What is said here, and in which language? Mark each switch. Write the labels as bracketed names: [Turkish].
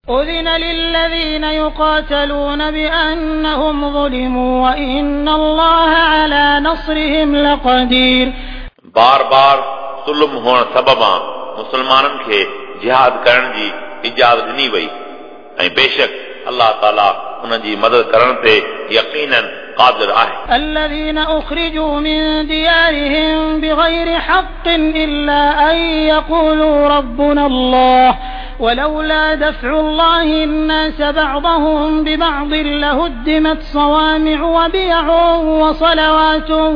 [Arabic] أذن للذين يقاتلون بأنهم ظلموا وإن الله على نصرهم لقدير [Sindhi] بار بار ظلم هون سببا مسلمانن کي جهاد ڪرڻ جي اجازت ڏني وئي ۽ بيشڪ الله تعالى ان جي مدد ڪرڻ تي يقينن قادر آهي [Arabic] الذين اخرجوا من ديارهم بغير حق الا ان يقولوا ربنا الله ولولا دفع الله الناس بعضهم ببعض لهدمت صوامع وبيع وصلوات